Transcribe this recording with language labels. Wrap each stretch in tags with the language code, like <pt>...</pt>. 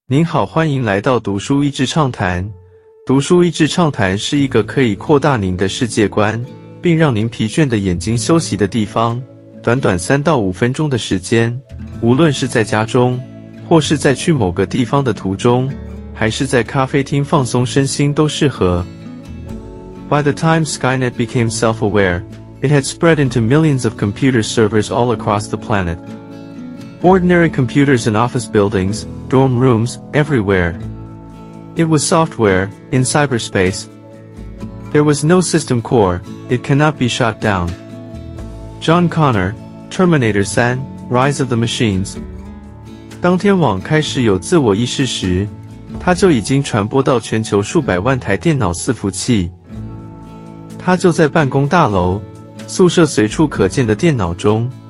<zh>您好，欢迎来到读书益智畅谈。读书益智畅谈是一个可以扩大您的世界观，并让您疲倦的眼睛休息的地方。短短三到五分钟的时间，无论是在家中，或是在去某个地方的途中，还是在咖啡厅放松身心都适合。</zh> <en>By the time Skynet became self-aware, it had spread into millions of computer servers all across the planet. Ordinary computers in office buildings, dorm rooms, everywhere. It was software, in cyberspace. There was no system core, it cannot be shut down. John Connor, Terminator 3, Rise of the Machines.</en> <zh>当天网开始有自我意识时，它就已经传播到全球数百万台电脑伺服器。它就在办公大楼，宿舍随处可见的电脑中。</zh>